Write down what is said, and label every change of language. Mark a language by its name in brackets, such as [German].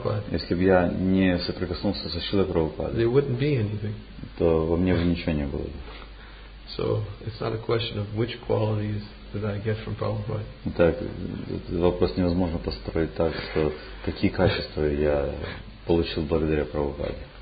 [Russian] Если бы я не соприкоснулся со Шрилой Прабхупадой, то во мне бы ничего не было бы. [English] So it's not a question of which qualities that I get from Prabhupada. [Russian] Так, вопрос невозможно построить так, что какие качества я получил благодаря Прабхупаде.